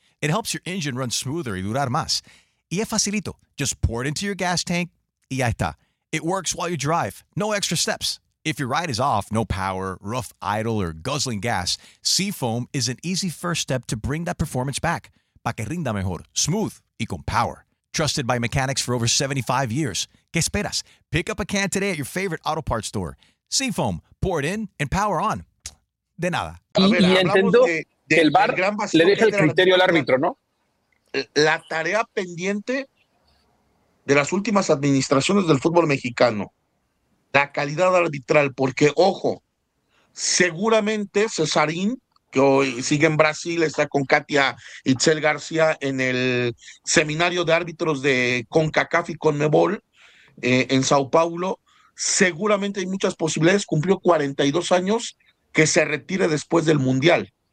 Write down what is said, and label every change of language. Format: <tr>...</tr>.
<en>It helps your engine run smoother</en> <es>y durar más. Y es facilito.</es> <en>Just pour it into your gas tank</en> <es>y ya está.</es> <en>It works while you drive. No extra steps. If your ride is off, no power, rough idle, or guzzling gas, Seafoam is an easy first step to bring that performance back.</en> <es>Pa' que rinda mejor, smooth, y con power.</es> <en>Trusted by mechanics for over 75 years.</en> <es>¿Qué esperas?</es> <en>Pick up a can today at your favorite auto parts store. Seafoam, pour it in and power on.</en> <es>De nada. A ver, y entiendo que el VAR le deja el criterio al árbitro, ¿no? La tarea pendiente de las últimas administraciones del fútbol mexicano. La calidad arbitral, porque, ojo, seguramente Cesarín, que hoy sigue en Brasil, está con Katia Itzel García en el seminario de árbitros de CONCACAF y CONMEBOL en Sao Paulo, seguramente hay muchas posibilidades, cumplió 42 años, que se retire después del Mundial.</es>